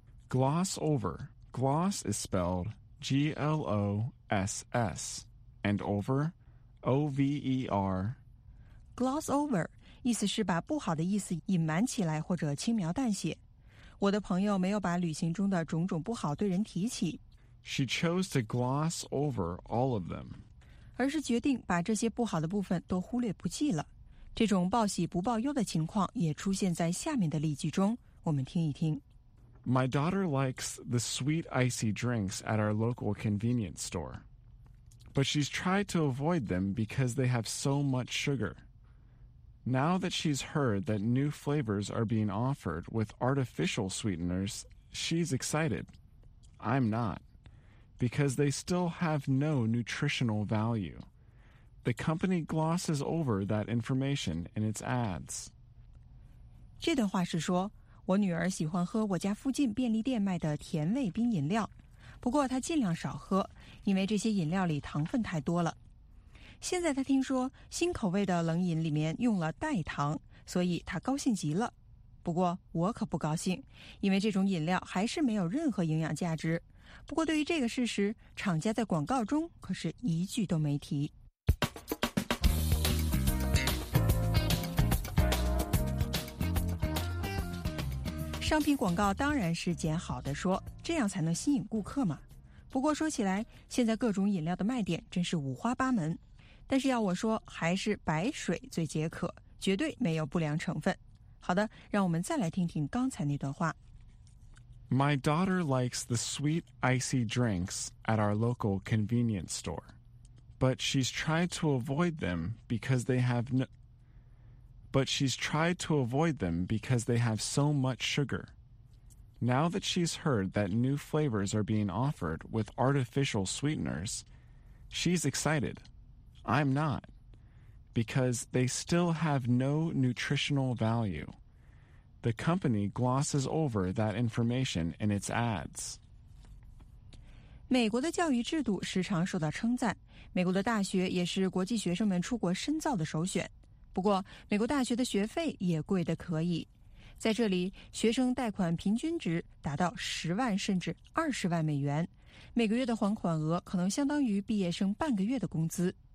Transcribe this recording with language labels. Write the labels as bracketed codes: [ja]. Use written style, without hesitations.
[en] Gloss over. Gloss is spelled G-L-O-S-S. And over, O-V-E-R. [zh] Gloss over, 意思是把不好的意思隐瞒起来或者轻描淡写。我的朋友没有把旅行中的种种不好对人提起。 [en] She chose to gloss over all of them. [zh] 而是决定把这些不好的部分都忽略不计了。这种报喜不报忧的情况也出现在下面的例句中，我们听一听。 [en] My daughter likes the sweet icy drinks at our local convenience store. But she's tried to avoid them because they have so much sugar. Now that she's heard that new flavors are being offered with artificial sweeteners, she's excited. I'm not. Because they still have no nutritional value. The company glosses over that information in its ads. [zh] 这段话是说，我女儿喜欢喝我家附近便利店卖的甜味冰饮料，不过她尽量少喝，因为这些饮料里糖分太多了。现在她听说新口味的冷饮里面用了代糖，所以她高兴极了。不过我可不高兴，因为这种饮料还是没有任何营养价值。不过对于这个事实，厂家在广告中可是一句都没提。商品广告当然是捡好的说，这样才能吸引顾客嘛。不过说起来，现在各种饮料的卖点真是五花八门，但是要我说，还是白水最解渴，绝对没有不良成分。好的，让我们再来听听刚才那段话。 [en] My daughter likes the sweet icy drinks at our local convenience store, but she's tried to avoid them because they have no. But she's tried to avoid them because they have so much sugar. Now that she's heard that new flavors are being offered with artificial sweeteners, she's excited. I'm not, because they still have no nutritional value. The company glosses over that information in its ads. [zh] 美国的教育制度时常受到称赞，美国的大学也是国际学生们出国深造的首选。不过，美国大学的学费也贵得可以。在这里，学生贷款平均值达到10万甚至20万美元，每个月的还款额可能相当于毕业生半个月的工资。